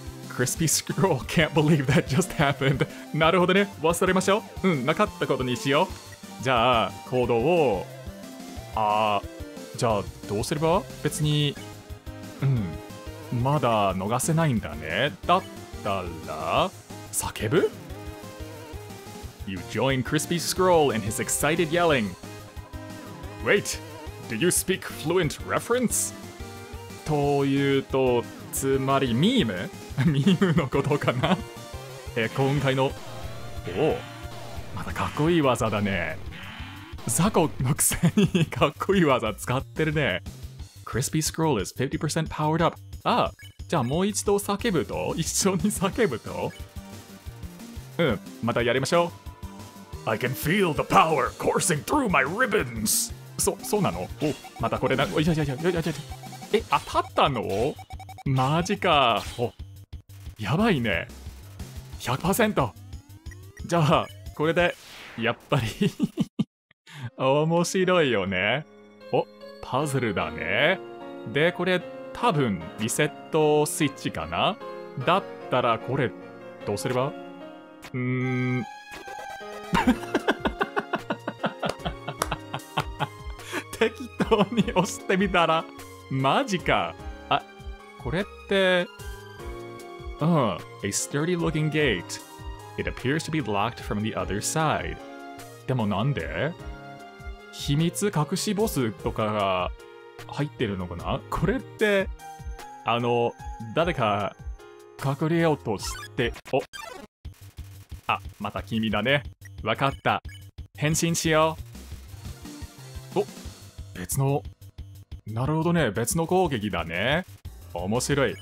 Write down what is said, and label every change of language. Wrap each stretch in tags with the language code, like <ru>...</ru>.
<en>Crispy Scroll can't believe that just happened。</en> <ja>なるほどね、忘れましょう、うん、なかったことにしよう。じゃあ行動を、じゃあどうすれば、別に、うん、まだ逃せないんだね。だったら叫ぶ。</ja> <en>You join Crispy Scroll in his excited yelling。 Wait, do you speak fluent reference?</en> <ja>というと、つまりミーム、ミームのことかな。今回の、おお、またかっこいい技だね。ザコのくせにかっこいい技使ってるね。</ja> <en>Crispy Scroll is 50% powered up。</en> <ja>あ、じゃあもう一度叫ぶと、一緒に叫ぶと、うん、またやりましょう。</ja> <en>I can feel the power coursing through my ribbons。</en> <ja>そうなの。お、またこれな、いやいやいやいやいや、え、当たったの、マジか、お、やばいね、 100%。じゃあこれでやっぱり面白いよね。お、パズルだね。で、これ多分リセットスイッチかな。だったらこれどうすれば、適当に押してみたら、マジか。あ、これって、うん、</ja> <en>A sturdy looking gate. It appears to be locked from the other side.</en> <ja>でもなんで？秘密隠しボスとかが入ってるのかな？これって、あの、誰か隠れようとして、お、あ、また君だね。わかった。変身しよう。お、別の、なるほどね、別の攻撃だね。面白い。</ja>